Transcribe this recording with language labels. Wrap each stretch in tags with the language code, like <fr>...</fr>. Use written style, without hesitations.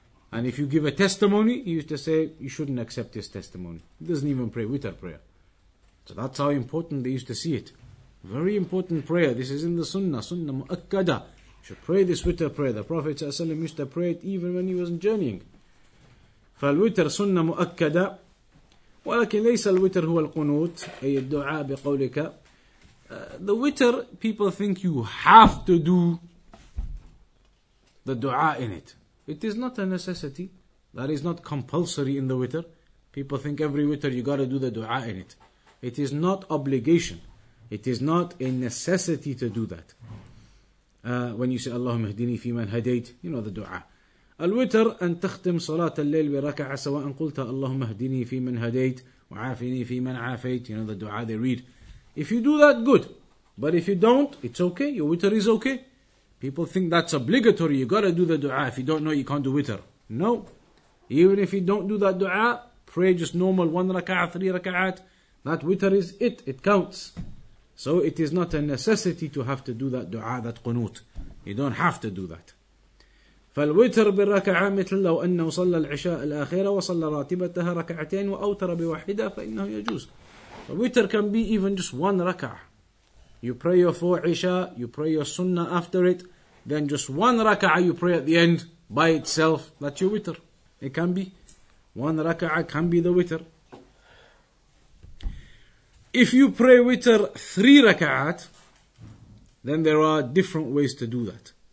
<en>And if you give a testimony, he used to say, you shouldn't accept his testimony. He doesn't even pray witr prayer. So that's how important they used to see it. Very important prayer. This is in the sunnah, sunnah mu'akkada. You should pray this witr prayer. The Prophet ﷺ used to pray it even when he wasn't journeying.</en> <ar>فالوتر سنة مؤكدة ولكن ليس الوتر هو القنوت أي الدعاء بقولك.</ar> <en>The witr, people think you have to do the dua in it. It is not a necessity. That is not compulsory in the witr. People think every witr you gotta do the dua in it. It is not obligation. It is not a necessity to do that. When you say</en> <ar>اللهم اهدني في من هديت,</ar> <en>you know the dua.</en> <ar>الوتر أن تختم صلاة الليل بركعة سواء قلت اللهم اهدني في من هديت وعافني في من عافيت,</ar> <en>you know the dua they read. If you do that, good. But if you don't, it's okay. Your witr is okay. People think that's obligatory. You gotta do the dua. If you don't know, you can't do witr. No. Even if you don't do that dua, pray just normal 1 rak'ah, 3 rak'ahs. That witr is it. It counts. So it is not a necessity to have to do that dua, that qunut. You don't have to do that.</en> <ar>فالوتر بالركعة مثل لو أنه صلى العشاء الأخيرة وصلى راتبتها ركعتين وأوتر بواحدة فإنه يجوز.</ar> <en>Witr can be even just 1 rak'ah. You pray your 4 isha, you pray your sunnah after it, then just 1 rak'ah you pray at the end by itself, that's your witr. It can be. 1 rak'ah can be the witr. If you pray witr 3 rak'ahs, then there are different ways to do that.</en>